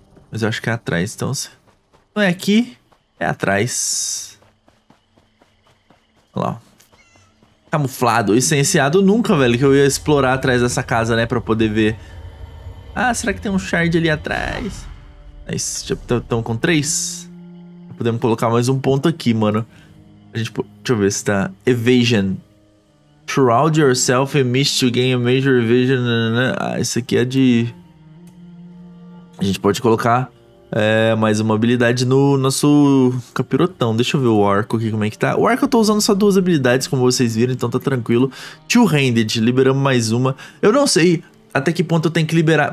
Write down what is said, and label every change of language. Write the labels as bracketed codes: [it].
[pt] Mas eu acho que é atrás, então... Não é aqui, é atrás. Olha lá. camuflado, essenciado nunca, velho, que eu ia explorar atrás dessa casa, né, pra poder ver. Ah, será que tem um shard ali atrás? Tão com três? Podemos colocar mais um ponto aqui, mano. Deixa eu ver se tá... Evasion. [en] Shroud yourself in mist to gain a major evasion. [pt] Ah, isso aqui é de... A gente pode colocar mais uma habilidade no nosso capirotão. Deixa eu ver o arco aqui, como é que tá. O arco eu tô usando só duas habilidades, como vocês viram, então tá tranquilo. Two-handed, liberamos mais uma. Eu não sei até que ponto eu tenho que liberar...